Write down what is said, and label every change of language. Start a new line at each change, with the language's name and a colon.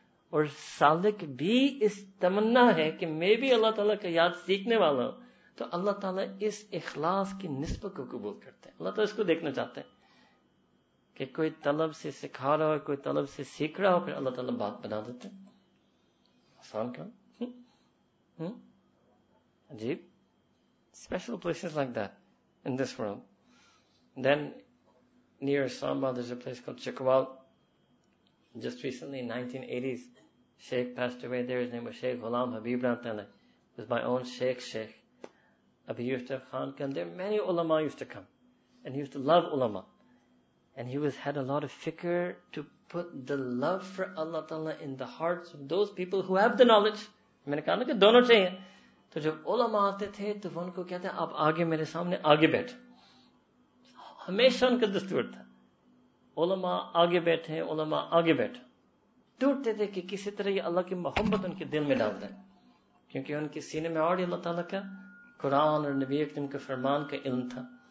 Urdu: اور سالک بھی اس تمنا ہے کہ میں بھی اللہ تعالیٰ کا یاد سیکھنے والا ہوں تو اللہ تعالیٰ اس اخلاص کی نسبت کو قبول کرتے ہیں اللہ تعالیٰ اس کو دیکھنا چاہتے ہیں کہ کوئی طلب سے سکھا رہا ہو کوئی طلب سے سیکھ رہا ہو پھر اللہ تعالیٰ بات بنا دیتے آسان کام عجیب
English: Special places like that in this world. Then near Islamabad there's a place called Chikwal. Just recently in 1980s Sheikh passed away there. His name was Sheikh Ghulam Habib Rantale. It was my own Sheikh Abhi Yusuf Khan. And there many ulama used to come and he used to love ulama and he was had a lot of fikr to put the love for Allah Ta'ala in the hearts of those people who have the knowledge. I mean,
Urdu: dono chahiye. تو جب علماء آتے تھے تو وہ ان کو کہتے ہیں آپ آگے میرے سامنے آگے بیٹھ ہمیشہ ان کا دستور تھا علماء آگے بیٹھے علماء آگے بیٹھ ٹوٹتے تھے کہ کسی طرح یہ اللہ کی محبت ان کے دل میں ڈال دیں کیونکہ ان کے سینے میں آڑی اللہ تعالیٰ کا قرآن اور نبی اکرم کے فرمان کا علم تھا